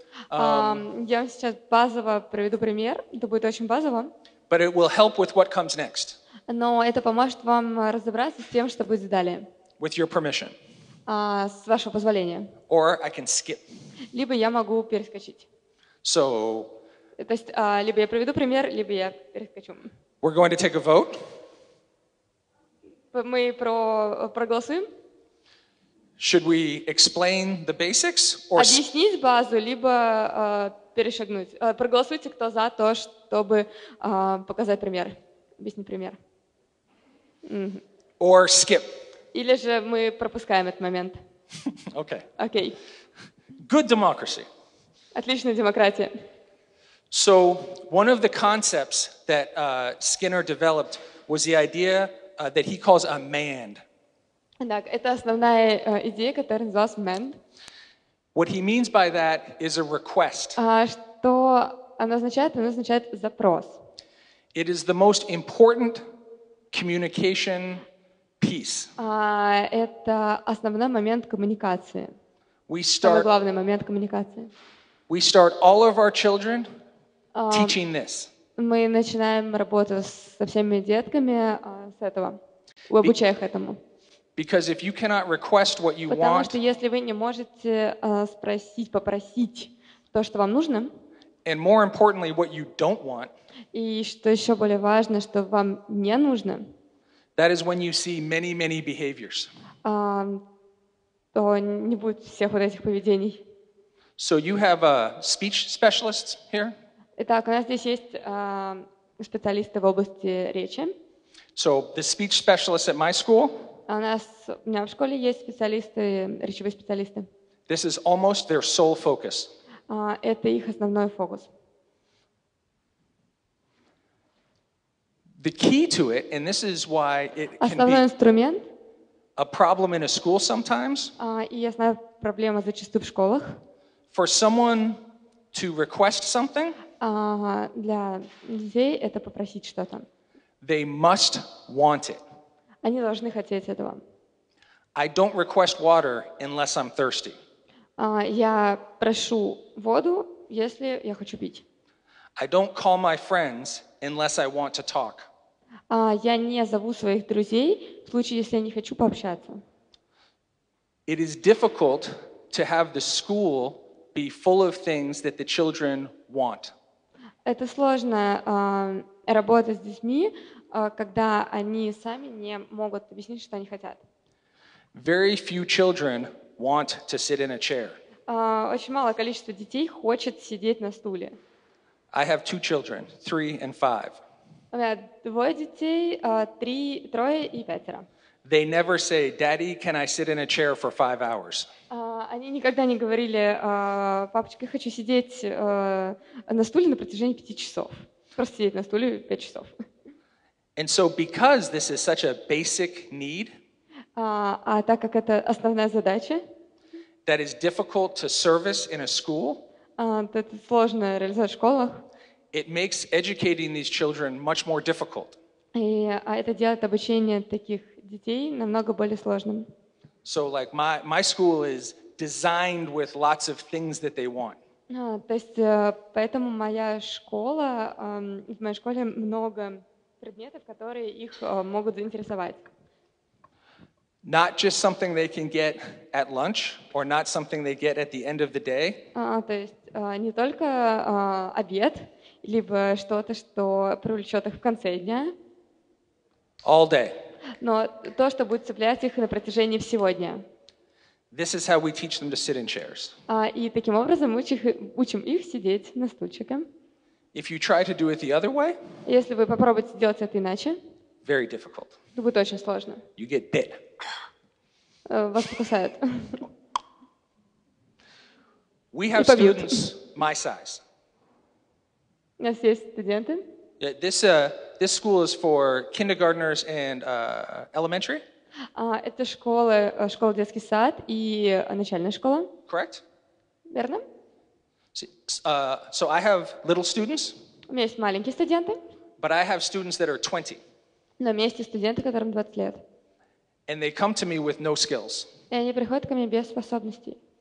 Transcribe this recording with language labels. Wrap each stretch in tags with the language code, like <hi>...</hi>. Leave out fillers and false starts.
<ru>Я вам сейчас базово проведу пример. Это будет очень базово.</ru> <en>But it will help with what comes next.</en> <ru>Но это поможет вам разобраться с тем, что будет далее.</ru> <en>With your permission.</en> <ru>С вашего позволения.</ru> <en>Or I can skip.</en> <ru>Либо я могу перескочить.</ru> <en>So,</en> <ru>то есть, либо я проведу пример, либо я перескочу.</ru> <en>We're going to take a vote.</en> <ru>Мы проголосуем.</ru> <en>Should we explain the basics or</en> <ru>объяснить базу, либо перешагнуть? Проголосуйте, кто за то, чтобы показать пример. Объяснить пример.</ru> <en>Or skip.</en> <ru>Или же мы пропускаем этот момент.</ru> <en>Okay. Okay. Good democracy.</en> <ru>Отличная демократия.</ru> <en>So one of the concepts that Skinner developed was the idea that he calls a mand.</en> <ru>Так, это основная идея, которая называлась mand.</ru> <en>What he means by that is a request.</en> <ru>Что она означает? Она означает запрос.</ru> <en>It is the most important communication piece.</en> <ru>Это основной момент коммуникации.</ru> <en>We start.</en> <ru>Это главный момент коммуникации.</ru> <en>We start all of our children. Teaching this.</en> <ru>Мы начинаем работу со всеми детками с этого. Обучая их этому.</ru> <en>Because if you cannot request what you want,</en> <ru>потому что если вы не можете спросить, попросить то, что вам нужно,</ru> <en>and more importantly, what you don't want,</en> <ru>и что еще более важно, что вам не нужно,</ru> <en>that is when you see many, many behaviors.</en> <ru>То не будет всех вот этих поведений.</ru> <en>So you have a speech specialist here?</en> <ru>Итак, у нас здесь есть специалисты в области речи.</ru> <en>So the speech specialist at my school?</en> <ru>У меня в школе есть специалисты, речевые специалисты.</ru> <en>This is almost their sole focus.</en> <ru>Это их основной фокус.</ru> <en>The key to it, and this is why it</en> <ru>основной</ru> <en>can be</en> <ru>инструмент.</ru> <en>A problem in a school sometimes.</en> <ru>И основная проблема зачастую в школах.</ru> <en>For someone to request something,</en> <ru>для людей это попросить что-то.</ru> <en>They must want it.</en> <ru>Они должны хотеть этого.</ru> <en>I don't request water unless I'm thirsty.</en> <ru>Я прошу воду, если я хочу пить.</ru> <en>I don't call my friends unless I want to talk.</en> <ru>Я не зову своих друзей в случае, если я не хочу пообщаться.</ru> <en>It is difficult to have the school be full of things that the children want.</en> <ru>Это сложно работать с детьми, когда они сами не могут объяснить, что они хотят.</ru> <en>Very few children want to sit in a chair.</en> <ru>Очень малое количество детей хочет сидеть на стуле.</ru> <en>I have two children, 3 and 5.</en> <ru>У меня двое детей, трое и пятеро.</ru> <en>They never say, "Daddy, can I sit in a chair for 5 hours?"</en> <ru>Они никогда не говорили, папочка, я хочу сидеть на стуле на протяжении 5 часов. Просто сидеть на стуле 5 часов.</ru> <en>And so because this is such a basic need,</en> <ru>а так как это основная задача,</ru> <en>that is difficult to service in a school,</en> <ru>это сложно реализовать в школах,</ru> <en>it makes educating these children much more difficult.</en> <ru>И это делает обучение таких детей намного более сложным.</ru> <en>So like my school is designed with lots of things that they want.</en> <ru>То есть поэтому моя школа, в моей школе много предметов, которые их могут заинтересовать.</ru> <en>Not just something they can get at lunch, or not something they get at the end of the day.</en> <ru>То есть не только обед, либо что-то, что привлечет их в конце дня.</ru> <en>All day.</en> <ru>Но то, что будет цеплять их на протяжении всего дня.</ru> <en>This is how we teach them to sit in chairs.</en> <ru>И таким образом учим их сидеть на стульчике.</ru> <en>If you try to do it the other way,</en> <ru>если вы попробуете делать это иначе,</ru> <en>very difficult.</en> <ru>Это будет очень сложно.</ru> <en>You get bit.</en> <ru>Вас покусают.</ru> <en>We have students my size.</en> <ru>У нас есть студенты.</ru> <en>This school is for kindergartners and elementary.</en> <ru>Это школа, школа, детский сад и начальная школа.</ru> <en>Correct.</en> <ru>Верно.</ru> <en>So I have little students.</en> <ru>У меня есть маленькие студенты.</ru> <en>But I have students that are 20.</en> <ru>Но у меня есть студенты, которым 20 лет.</ru> <en>And they come to me with no skills.</en> <ru>И они приходят ко мне без способностей.</ru>